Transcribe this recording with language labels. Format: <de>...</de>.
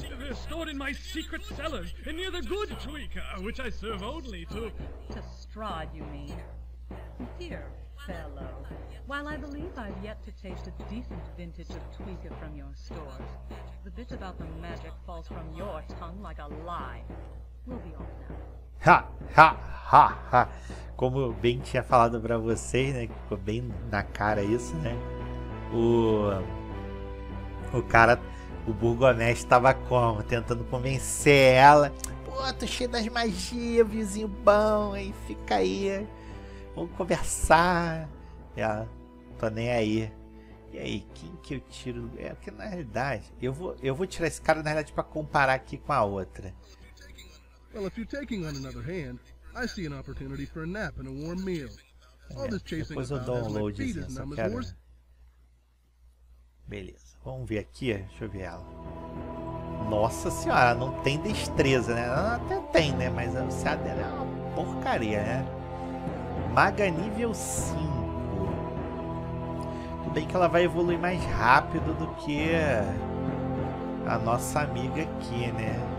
<en>They're stored in my secret cellars and near the good tuica, which I serve only to... To Strahd, you mean. Dear fellow, while I believe I've yet to taste a decent vintage of tuica from your stores, the bit about the magic falls from your tongue like a lie. We'll be off now. Ha! Ha! Ha! Ha!</en> <pt>Como eu bem tinha falado pra vocês, né? Ficou bem na cara isso, né? O cara, o burgomestre tava como? Tentando convencer ela. Pô, tô cheio das magias, vizinho bom, aí fica aí. Vamos conversar. E ela, tô nem aí. E aí, quem que eu tiro? É que na realidade, eu vou tirar esse cara, na realidade, pra comparar aqui com a outra.</pt> <en>Well, if you're taking on another hand, I see an opportunity for a nap and a warm meal. All this chasing about has my feet as numb as horse.</en> <pt>Beleza, vamos ver aqui, deixa eu ver ela. Nossa senhora, não tem destreza, né? Ela até tem, né? Mas a CA dela é uma porcaria, né? Maga nível 5. Tudo bem que ela vai evoluir mais rápido do que a nossa amiga aqui, né?</pt>